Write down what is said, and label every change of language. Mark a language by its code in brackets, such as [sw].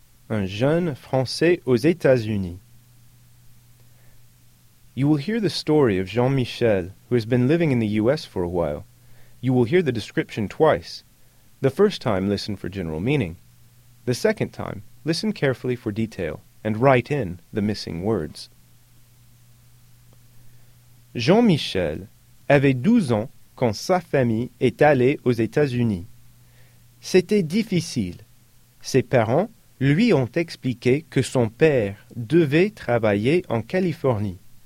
[fr] Un jeune français aux États-Unis. [en] You will hear the story of Jean-Michel, who has been living in the U.S. for a while. You will hear the description twice. The first time, listen for general meaning. The second time, listen carefully for detail and write in the missing words. [fr] Jean-Michel avait 12 ans quand sa famille est allée aux États-Unis. C'était difficile. Ses parents lui ont expliqué que son père devait travailler en Californie.